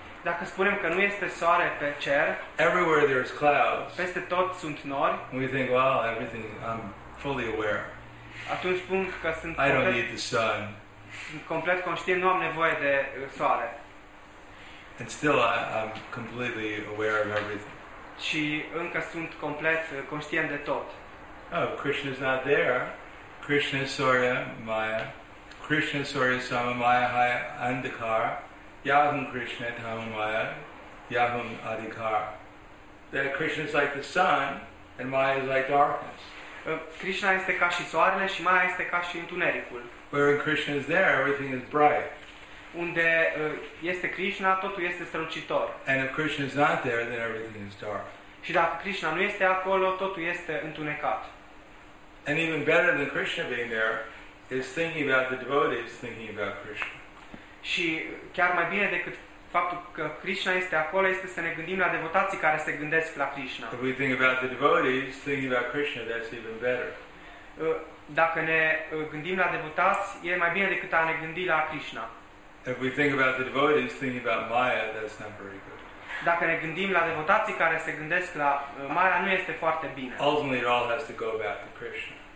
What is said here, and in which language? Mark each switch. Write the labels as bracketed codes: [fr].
[ro] dacă spunem că nu este soare pe cer, [en] everywhere there's clouds, [ro] peste tot sunt nori, [en] and we think, well, everything, I'm fully aware. [ro] Atunci spun că sunt [en] I don't need the sun. [ro] Sunt complet conștient, nu am nevoie de soare. [en] And still I'm completely aware of everything. [ro] Și încă sunt complet conștient de tot. [en] Oh, Krishna's not there. Krishna Surya Maya. Krishna Surya Sama Maya Haya Andhakara. Yahum Krishna Tamamaya, Yahum Adhikar. That Krishna is like the sun and Maya is like darkness. [ro] Krishna este ca și soarele și Maya este ca și întunericul. [en] Where Krishna is there, everything is bright. [ro] Unde este Krishna, totul este strălucitor. [en] And if Krishna is not there, then everything is dark. [ro] Și dacă Krishna nu este acolo, totul este întunecat. [en] And even better than Krishna being there is thinking about the devotees thinking about Krishna. [ro] Și chiar mai bine decât faptul că Krishna este acolo este să ne gândim la devotații care se gândesc la Krishna. [en] If we think about the devotees thinking about Krishna, that's even better. [ro] Dacă ne gândim la devotați, e mai bine decât a ne gândi la Krishna. [en] If we think about the devotees thinking about Maya, that's not very good. [ro] Dacă ne gândim la devotații care se gândesc la Maya, nu este foarte bine. [en] Ultimately, it all has to go back to Krishna.